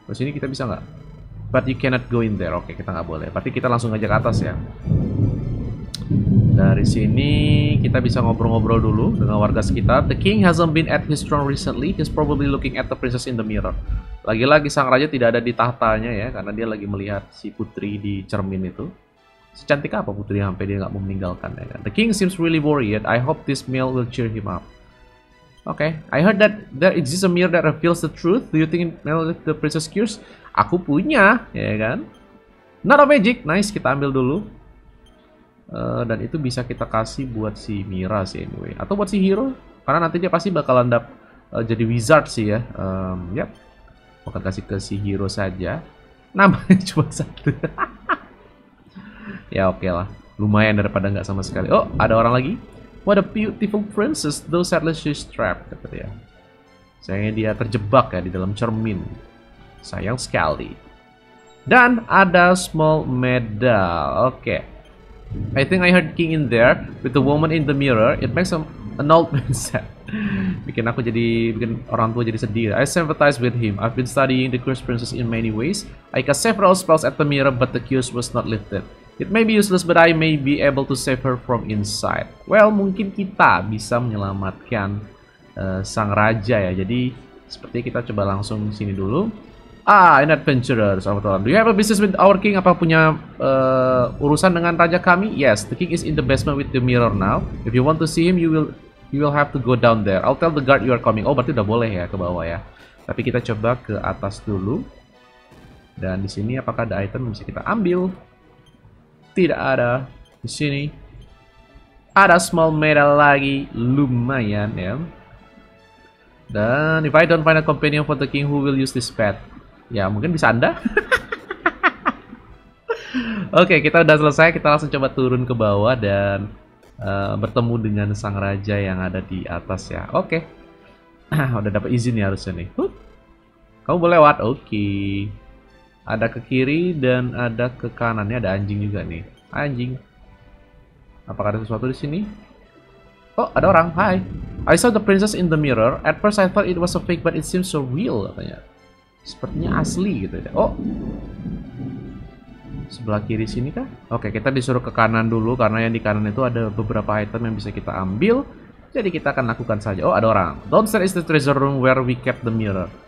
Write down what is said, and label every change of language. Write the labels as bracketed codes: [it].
[id] Terus ini kita bisa nggak? [en] But you cannot go in there. [id] Oke, kita nggak boleh. Berarti kita langsung aja ke atas ya. Dari sini kita bisa ngobrol-ngobrol dulu dengan warga sekitar. [en] The king hasn't been at his throne recently. He's probably looking at the princess in the mirror. [id] Lagi-lagi sang raja tidak ada di tahtanya ya, karena dia lagi melihat si putri di cermin itu. Secantik apa putri sampai dia nggak mau meninggalkan ya kan? [en] The king seems really worried. I hope this meal will cheer him up. Oke, okay. I heard that there exists a mirror that reveals the truth. Do you think it the princess cures? [id] Aku punya, ya kan? [en] Not a magic. [id] Nice, kita ambil dulu. Dan itu bisa kita kasih buat si Mira sih anyway. Atau buat si hero. Karena nanti dia pasti bakalan jadi wizard sih ya. Yep. Bakal kasih ke si hero saja. Namanya cuma satu. Ya oke okay lah. Lumayan daripada nggak sama sekali. Oh, ada orang lagi. [en] What a beautiful princess. Though sadly she's trapped. [id] Kata dia. Sayangnya dia terjebak ya di dalam cermin. Sayang sekali. Dan ada small medal. Oke. Okay. [en] I think I heard king in there with the woman in the mirror. It makes an old man sad. [id] Bikin orang tua jadi sedih. [en] I sympathize with him. I've been studying the cursed princess in many ways. I cast several spells at the mirror, but the curse was not lifted. It may be useless, but I may be able to save her from inside. [id] Well, mungkin kita bisa menyelamatkan sang raja ya. Jadi, seperti kita coba langsung sini dulu. [en] Ah, an adventurer. [id] Selamat malam. [en] Do you have a business with our king? [id] Apa punya urusan dengan raja kami? [en] Yes, the king is in the basement with the mirror now. If you want to see him, you will have to go down there. I'll tell the guard you are coming. [id] Oh, berarti udah boleh ya ke bawah ya. Tapi kita coba ke atas dulu. Dan di sini apakah ada item yang bisa kita ambil? Tidak ada. Di sini ada small medal lagi. Lumayan ya. [en] Dan if I don't find a companion for the king, who will use this pet? [id] Ya, mungkin bisa Anda. Oke, kita udah selesai. Kita langsung coba turun ke bawah dan bertemu dengan sang raja yang ada di atas ya. Oke. Okay. Udah dapat izin ya harusnya nih. Kamu boleh lewat. Oke. Okay. Ada ke kiri dan ada ke kanan. Ini ada anjing juga nih. Anjing. Apakah ada sesuatu di sini? Oh, ada orang. [en] Hi. I saw the princess in the mirror. At first I thought it was a fake, but it seems so real katanya. [id] Sepertinya asli gitu ya. Oh, sebelah kiri sini kah? Oke, kita disuruh ke kanan dulu karena yang di kanan itu ada beberapa item yang bisa kita ambil. Jadi kita akan lakukan saja. Oh, ada orang. [en] Downstairs is the treasure room where we kept the mirror.